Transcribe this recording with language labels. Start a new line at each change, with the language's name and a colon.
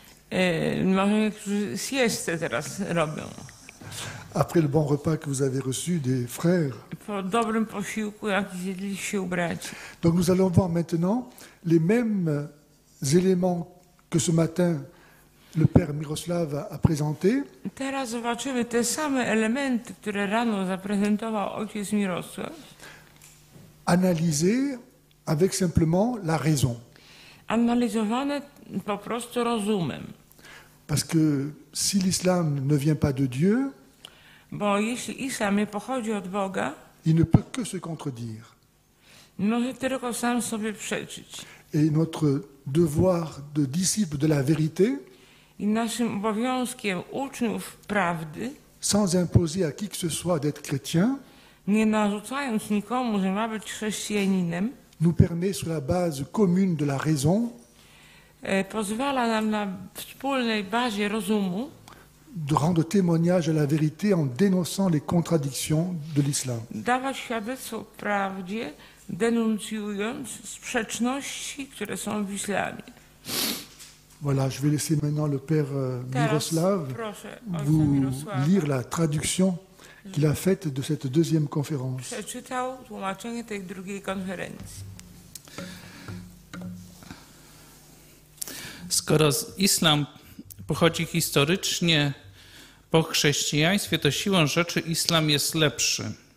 French: Après le bon repas que vous avez reçu des frères. Donc nous allons voir maintenant les mêmes éléments que ce matin le père Miroslav a présenté.
Polish: Teraz zobaczymy te same elementy, które rano zaprezentował ojciec Mirosław.
French: Analyser avec simplement la raison.
Polish: Analizowane po prostu rozumem.
French: Parce que si l'islam ne vient pas de Dieu,
Polish: bo jeśli islam nie pochodzi od Boga,
French: il ne peut que se contredire.
Polish: Może tylko sam sobie przeczyć.
French: Et notre devoir de disciple de la vérité,
Polish: i naszym obowiązkiem uczniów prawdy,
French: sans imposer à qui que ce soit d'être chrétien,
Polish: nie narzucając nikomu, że ma być chrześcijaninem,
French: nous permet sur la base commune de la raison,
Polish: pozwala nam na wspólnej bazie rozumu,
French: de rendre témoignage à la vérité en dénonçant les contradictions de l'islam.
Polish: Dawać świadectwo prawdzie, denuncjując sprzeczności, które są w islamie.
French: Voilà, je vais laisser maintenant le père Miroslav vous lire la traduction qu'il a faite de cette deuxième conférence.
Polish: Przeczytał tłumaczenie tej drugiej konferencji. Skoro islam pochodzi historycznie po chrześcijaństwie, to siłą rzeczy islam jest lepszy.